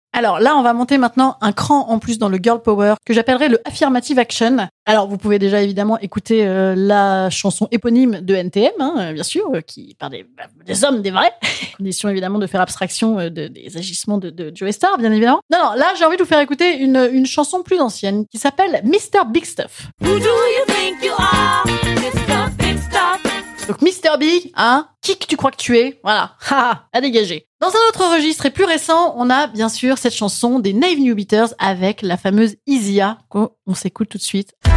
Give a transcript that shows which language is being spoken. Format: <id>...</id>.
<fr>Alors là, on va monter maintenant un cran en plus dans le girl power que j'appellerais le affirmative action. Alors vous pouvez déjà évidemment écouter la chanson éponyme de NTM, hein, bien sûr, qui parle des hommes, des vrais. Condition évidemment de faire abstraction des agissements de Joey Starr, bien évidemment. Non, là, j'ai envie de vous faire écouter une chanson plus ancienne qui s'appelle Mr. Big Stuff.</fr> <en>Who do you think you are, Mr.</en> <fr>Big Stuff? Donc Mr. Big, hein, qui que tu crois que tu es, voilà, à dégager. Dans un autre registre et plus récent, on a bien sûr cette chanson des Naive New Beaters avec la fameuse Easya, qu'on s'écoute tout de suite.</fr>